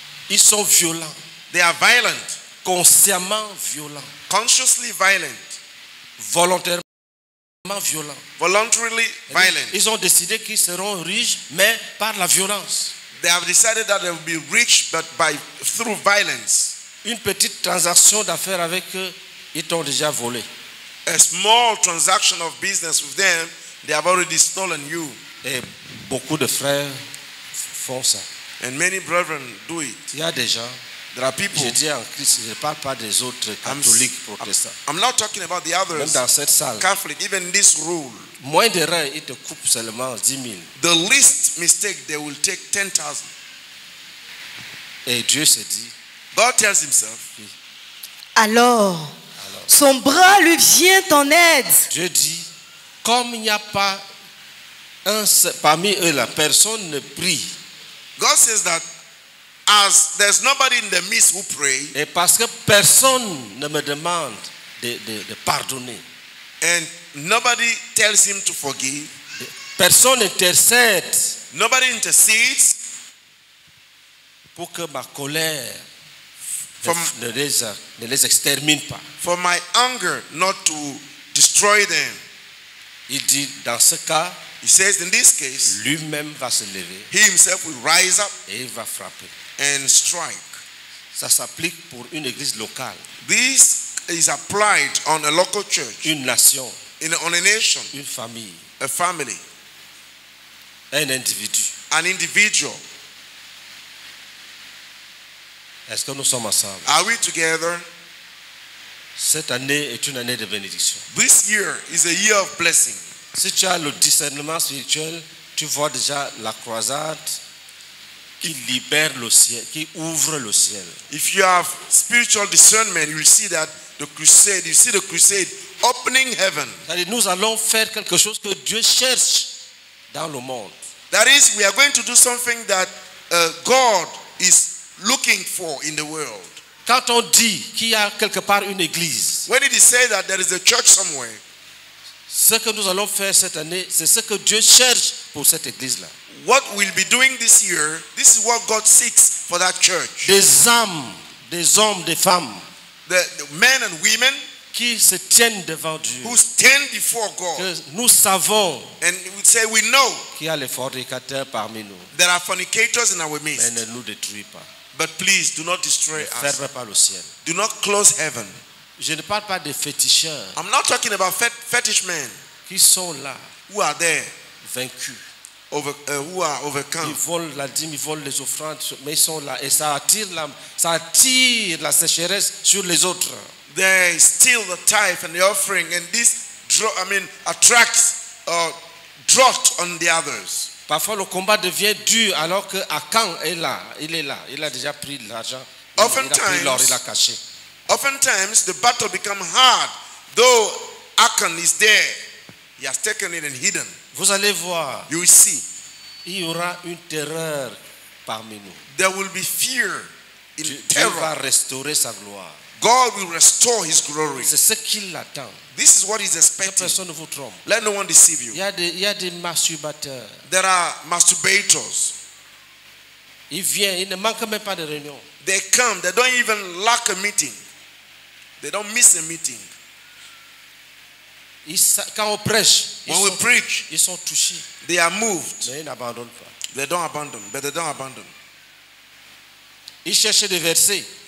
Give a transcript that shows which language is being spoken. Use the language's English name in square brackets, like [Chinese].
[French] Ils sont violents. [English] They are violent. [French] Consciemment violents. [English] Consciously violent. [French] Volontairement violents. [English] Voluntarily violent. [French] Ils ont décidé qu'ils seront riches, mais par la violence. [English] They have decided that they will be rich, but through violence. [French] Une petite transaction d'affaires avec eux, ils t'ont déjà volé. [English] A small transaction of business with them, they have already stolen you. [French] Et beaucoup de frères font ça. [English] And many brethren do it. [French] Il y a des gens. [English] There are people. [French] Je dis en Christ, je ne parle pas des autres catholiques, protestants. [English] I'm not talking about the others. [French] Même dans cette salle. [English] Catholic, even this rule. [French] Moins d'erreur, ils te coupent seulement 10 000. [English] The least mistake, they will take 10,000. [French] Et Dieu se dit. [English] God tells himself. [French] Alors, son bras lui vient en aide. Dieu dit, comme il n'y a pas un seul, parmi eux, la personne ne prie. [English] God says that as there's nobody in the midst who pray, [French] et parce que personne ne me demande de pardonner, [English] and nobody tells him to forgive, [French] personne intercède, [English] nobody intercedes [French] pour que ma colère ne les extermine pas, [English] for my anger not to destroy them. [French] Il dit dans ce cas. [English] He says in this case, [French] lui-même va se lever. [English] He himself will rise up [French] et va frapper. [English] And strike. [French] Ça s'applique pour une église locale. [English] This is applied on a local church. [French] Une nation. [English] On a nation. [French] Une famille. [English] A family. [French] Un individu. [English] An individual. [French] Est-ce que nous sommes ensemble? [English] Are we together? [French] Cette année est une année de bénédiction. [English] This year is a year of blessing. [French] Si tu as le discernement spirituel, tu vois déjà la croisade qui libère le ciel, qui ouvre le ciel. [English] If you have spiritual discernment, you see that the crusade, you see the crusade opening heaven. [French] C'est-à-dire, nous allons faire quelque chose que Dieu cherche dans le monde. [English] That is, we are going to do something that God is looking for in the world. [French] Quand on dit qu'il y a quelque part une église, [English] when it is said that there is a church somewhere. [French] Ce que nous allons faire cette année, c'est ce que Dieu cherche pour cette église-là. [English] What we'll be doing this year, this is what God seeks for that church. [French] Des âmes, des hommes, des femmes. [English] The men and women [French] qui se tiennent devant Dieu. [English] Who stand before God. [French] Que nous savons. [English] And we say we know. [French] Qu'il y a les fornicateurs parmi nous. [English] There are fornicators in our midst. [French] Mais ne nous détruis pas. [English] But please do not destroy us. [French] Ne ferme pas le ciel. [English] Do not close heaven. [French] Je ne parle pas des féticheurs. [English] I'm not talking about fetish men. [French] Qui sont là? [English] Who are there? [French] Vaincus. [English] Who are overcome? [French] Ils volent la dîme, ils volent les offrandes, mais ils sont là et ça attire la sécheresse sur les autres. [English] They steal the tithe and the offering, and this attracts drought on the others. [French] Parfois, le combat devient dur alors que Achan est là. Il est là. Il a déjà pris l'argent. [English] Oftentimes, [French] il a pris l'or, il l'a caché. [English] Oftentimes the battle becomes hard, though Achan is there. He has taken it and hidden. [French] Vous allez voir. [English] You will see. [French] Il y aura une terreur parmi nous. [English] There will be fear in [French] Dieu [English] terror. [French] Va restaurer sa gloire. [English] God will restore his glory. [French] C'est ce qu'il attend. [English] This is what he's expecting. [French] Que personne ne vous trompe. [English] Let no one deceive you. [French] Il y a des masturbateurs. [English] There are masturbators. [French] Ils viennent, ils ne manquent même pas de réunion. [English] They come, they don't even lack a meeting. They don't miss a meeting. [French] Quand on prêche, [English] when we preach, [French] ils sont touchés. [English] They are moved. [French] Mais ils n'abandonnent pas. [English] They don't abandon, but they don't abandon. [French] Ils cherchent des versets.